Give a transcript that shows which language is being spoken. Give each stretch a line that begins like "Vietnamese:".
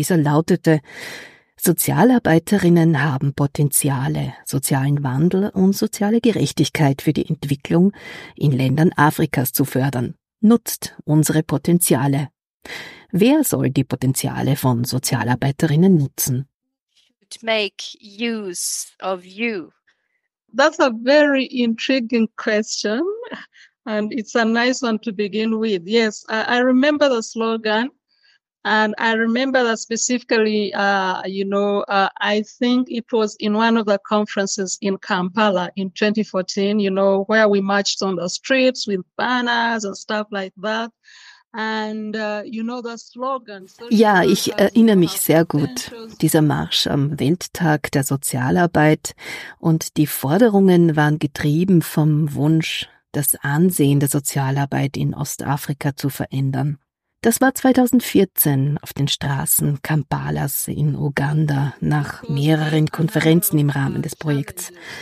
German: Dieser lautete: Sozialarbeiterinnen haben Potenziale, sozialen Wandel und soziale Gerechtigkeit für die Entwicklung in Ländern Afrikas zu fördern. Nutzt unsere Potenziale. Wer soll die Potenziale von Sozialarbeiterinnen nutzen?
English: Make use of you. That's a very intriguing question and it's a nice one to begin with. Yes, I remember the slogan. And I remember that specifically, I think it was in one of the conferences in Kampala in 2014, you know, where we marched on the streets with banners and stuff like that. And, you know, the slogan.
German: Ja, ich erinnere mich sehr gut. Dieser Marsch am Welttag der Sozialarbeit und die Forderungen waren getrieben vom Wunsch, das Ansehen der Sozialarbeit in Ostafrika zu verändern. Das war 2014 auf den Straßen Kampalas in Uganda nach mehreren Konferenzen im Rahmen des Projekts.